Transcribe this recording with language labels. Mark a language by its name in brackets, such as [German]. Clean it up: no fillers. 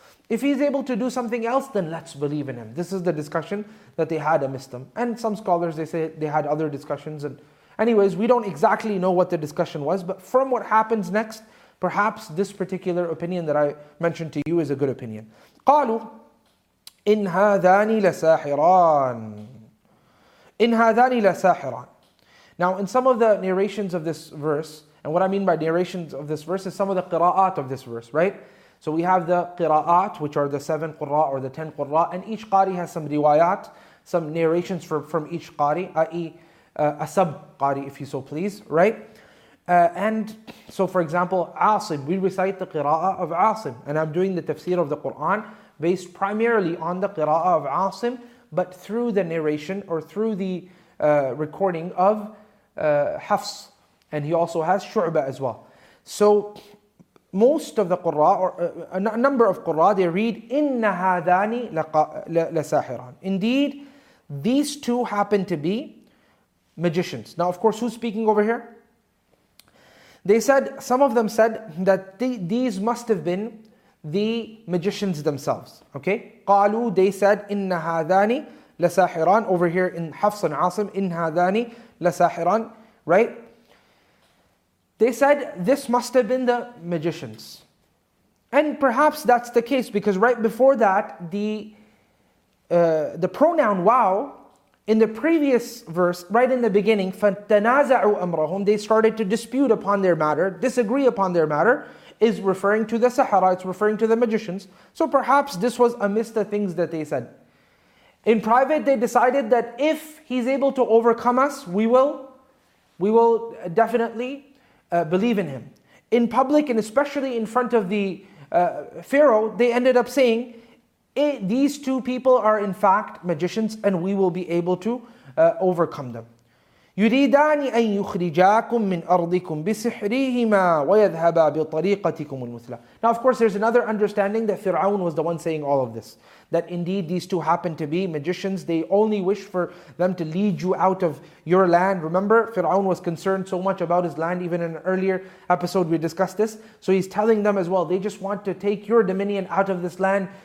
[English] If he's able to do something else, then let's believe in him. This is the discussion that they had amidst them. And some scholars, they say they had other discussions. And anyways, we don't exactly know what the discussion was, but from what happens next, perhaps this particular opinion that I mentioned to you is a good opinion. [Arabic] قالوا إن هذان لساحران إن هذان لساحران. [English] Now, in some of the narrations of this verse, and what I mean by narrations of this verse is some of the qira'at of this verse, right? So we have the qira'at, which are the 7 qurra or the 10 qurra, and each qari has some riwayat, some narrations from each qari, i.e. A sub-qari, if you so please, right? And so for example, Asim, we recite the qira'ah of Asim, and I'm doing the tafsir of the Qur'an based primarily on the qira'ah of Asim, but through the narration or through the recording of Hafs, and he also has Shu'bah as well. So most of the qira'ah, or a number of qira'ah, they read, [Arabic] إِنَّ هَذَانِ لَسَاحِرًا. [English] Indeed, these two happen to be magicians. Now of course, who's speaking over here? They said, some of them said that these must have been the magicians themselves. Okay? [Arabic] قالوا, [English] they said, [Arabic] إِنَّ هَذَانِ لَسَاحِرًا. [English] Over here in Hafs and Asim, [Arabic] إِنَّ هَذَانِ لَسَاحِرًا. [English] Right? They said, this must have been the magicians. And perhaps that's the case, because right before that, the pronoun wow, in the previous verse, right in the beginning, [Arabic] فَتَنَازَعُوا أَمْرَهُمْ, [English] they started to dispute upon their matter, disagree upon their matter, is referring to the Sahara, it's referring to the magicians. So perhaps this was amidst the things that they said. In private, they decided that if he's able to overcome us, we will definitely believe in him. In public, and especially in front of the Pharaoh, they ended up saying, these two people are in fact magicians, and we will be able to overcome them. [Arabic] يريدان أن يخرجاكم من أرضكم بسحرهما ويذهبا بطريقتكم المثلى. [English] Now of course there's another understanding that Fir'aun was the one saying all of this. That indeed these two happen to be magicians. They only wish for them to lead you out of your land. Remember, Fir'aun was concerned so much about his land. Even in an earlier episode we discussed this. So he's telling them as well, they just want to take your dominion out of this land.